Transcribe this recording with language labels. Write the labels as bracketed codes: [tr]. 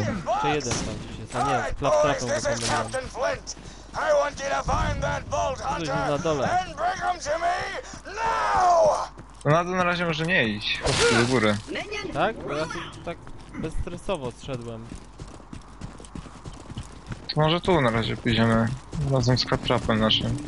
[pl] Jeszcze jeden tam gdzieś jest, a nie, klaptrapem go tam będę. [en] I want you to find that vault hunter and bring him to me now! [pl] No na to na razie może nie iść, chodźcie do góry. Tak? Bo ja tak bezstresowo zszedłem. To może tu na razie pójdziemy, razem z klaptrapem naszym.